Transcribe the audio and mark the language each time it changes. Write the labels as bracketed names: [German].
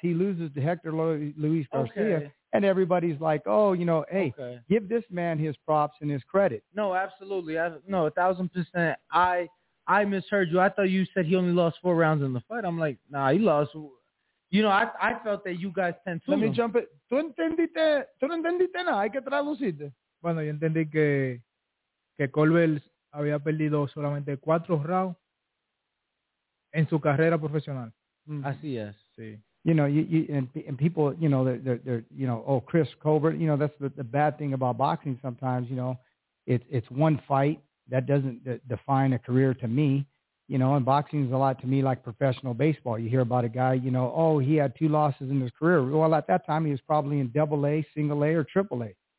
[English] He loses to Hector Luis Garcia, and everybody's like, oh, you know, hey, give this man his props and his credit. No, absolutely. No, 1,000%. I misheard you. I thought you said he only lost four rounds in the fight. I'm like, nah, he lost. You know, I felt that you guys tend to. Let me jump it. [Spanish] ¿Tú entendiste nada? Hay que traducirte. Bueno, yo entendí que Colbert había perdido solamente cuatro rounds en su carrera profesional. Así es. Sí. [English] You know, you and people, you know, they're you know, oh, Chris Colbert, you know, that's the bad thing about boxing sometimes, you know. It's one fight. That doesn't define a career to me, you know, and boxing is a lot to me like professional baseball. You hear about a guy, you know, oh, he had two losses in his career. Well, at that time, he was probably in double A, single A, or triple A.